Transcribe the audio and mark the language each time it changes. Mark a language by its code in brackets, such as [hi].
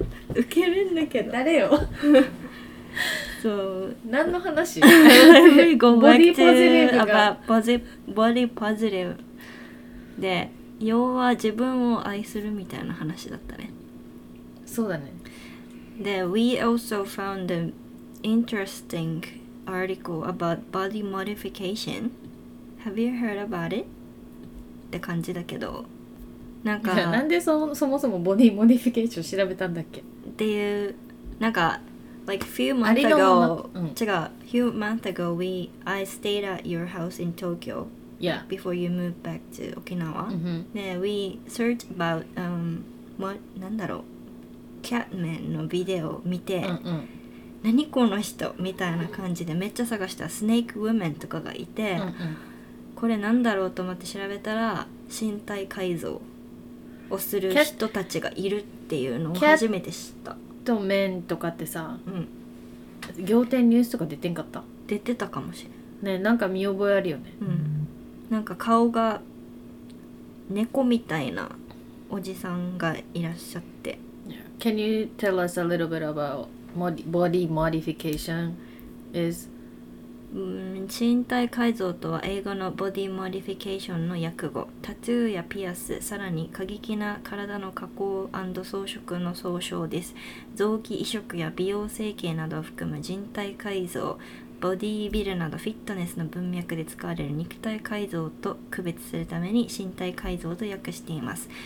[ja] 受けるんだけど誰よそう何の話ボディポジティブがボディポジティブで要は自分を愛するみたいな話だったねそうだね [en] で We also found an interesting article about body modification Have you heard about it? [ja] って感じだけどなんかなんで そもそもボディモディフィケーション調べたんだっけっていうなんか [en] Like few months ago, うん、 [ja] 違う [en] few months ago, I stayed at your house in Tokyo、 yeah. before you moved back to Okinawa.、 Mm-hmm. Then we searched about, what, [ja] 何だろう [en] Catman [ja] のビデオを見て、うんうん、何この人みたいな感じでめっちゃ探した Snake Woman とかがいて、うんうん、これ何だろうと思って調べたら身体改造をする人たちがいるっていうのを初めて知った。と面とかってさ、うん、仰天ニュースとか出てんかった？出てたかもしれん。ね、なんか見覚えあるよね。うん、なんか顔が猫みたいなおじさんがいらっしゃって。 [en] Can you tell us a little bit about body modification? Is [ja] 身体改造とは英語のボディモディフィケーションの訳語。タトゥーやピアス、さらに過激な体の加工&装飾の総称です。臓器移植や美容整形などを含む人体改造、ボディビルなどフィットネスの文脈で使われる肉体改造と区別するために身体改造と訳しています。